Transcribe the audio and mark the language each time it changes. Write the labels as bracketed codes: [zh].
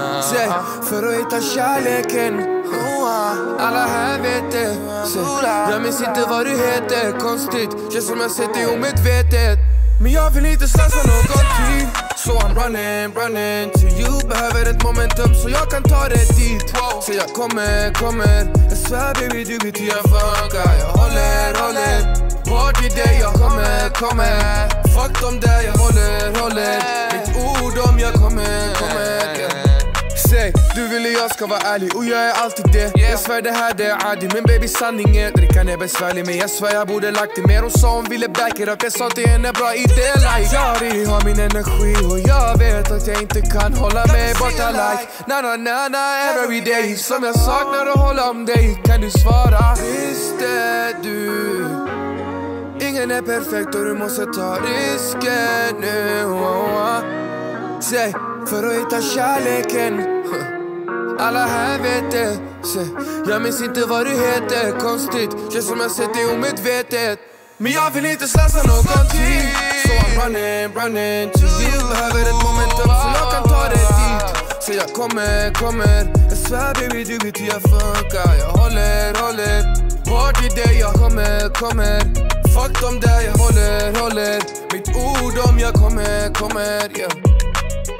[sv] Säg, för att hitta kärleken. Alla här vet det. Säg, jag minns inte vad du heter. Konstigt, känns som jag sett dig omedvetet. Men jag vill inte slösa någon tid. [en] So I'm running, running to you. [sv] Behöver ett momentum så jag kan ta det dit. Så jag kommer, kommer. Jag svär baby du vet hur jag funkar. Jag håller, håller. Party day, jag kommer, kommer. Fuck dem där, jag håller, håller. Mitt ord om jag kommer, kommer. Du vill jag ska vara ärlig och jag är alltid det. Jag svär det här det är adi. Men baby sanning är drickan är besvärlig. Men jag svär jag borde lagt det mer. Hon sa hon ville [en] back it up. [sv] Jag sa till henne bra idé like. Jari har min energi och jag vet att jag inte kan hålla mig borta like. Na na na na [en] every day. [sv] Som jag saknar att hålla om dig. Kan du svara? Visste du? Ingen är perfekt och du måste ta risken nu. Säg, för att hitta kärleken. Alla här vet det. Se, jag minns inte vad du heter. Konstigt, känns som jag sett dig omedvetet. Men jag vill inte slösa någon tid. [en] So I'm running, running to you. [sv] Behöver ett momentum så jag kan ta det dit. Så jag kommer, kommer. Jag svär baby du vet hur jag funkar. Jag håller, håller. Party day, jag kommer, kommer. Fuck dem där, jag håller, håller. Mitt ord om jag kommer, kommer, yeah.